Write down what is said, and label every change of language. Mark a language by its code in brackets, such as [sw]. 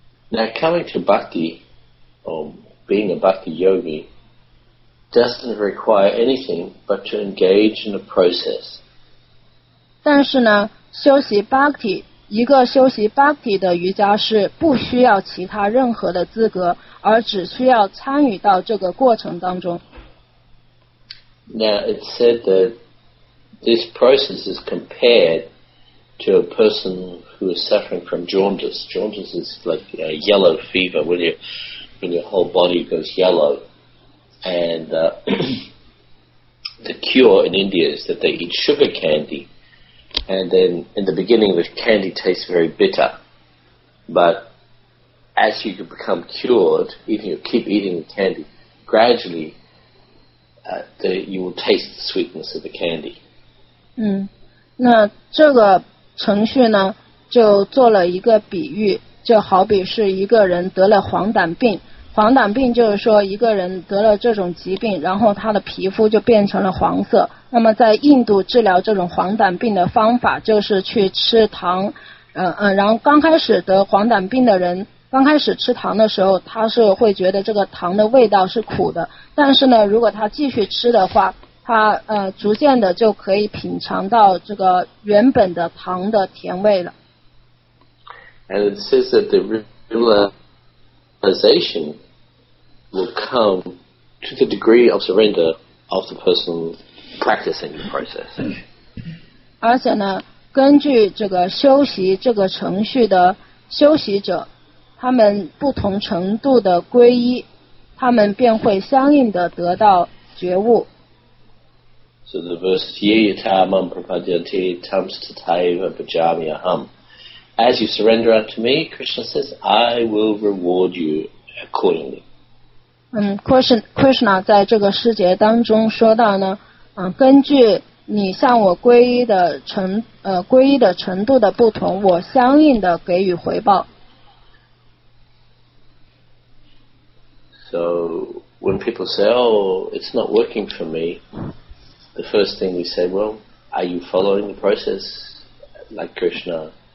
[en] Now coming to bhakti, being a bhakti yogi doesn't require anything but to engage in a process. [zh] 但是呢，修习 bhakti。一个修习 bhakti 的瑜伽师不需要其他任何的资格，而只需要参与到这个过程当中。 [en] Now it's said that this process is compared to a person who is suffering from jaundice. Jaundice is like a yellow fever, when your whole body goes yellow. And the cure in India is that they eat sugar candy. And then, in the beginning, the candy tastes very bitter. But as you become cured, even if you keep eating the candy, gradually you will taste the sweetness of the candy. [zh] 那这个程序呢，就做了一个比喻，就好比是一个人得了黄疸病。黄疸病就是说一个人得了这种疾病，然后他的皮肤就变成了黄色。那么在印度治疗这种黄疸病的方法就是去吃糖，然后刚开始得黄疸病的人刚开始吃糖的时候，他是会觉得这个糖的味道是苦的，但是呢，如果他继续吃的话，他逐渐的就可以品尝到这个原本的糖的甜味了。 [en] And it says that the realization will come to the degree of surrender of the person practicing the process. [zh] 而且呢，根据这个修习这个程序的修习者，他们不同程度的皈依，他们便会相应的得到觉悟。 [en] So the verse [sa] Yiyatamam Prapadyanti Tamstatayva Bajami Aham. [en] As you surrender unto me, Krishna says, I will reward you accordingly. [zh] Krishna 在这个诗节当中说到呢，根据你向我皈依的程度的不同，我相应的给予回报。 [en] So when people say, oh, it's not working for me, the first thing we say, well, are you following the process like Krishna?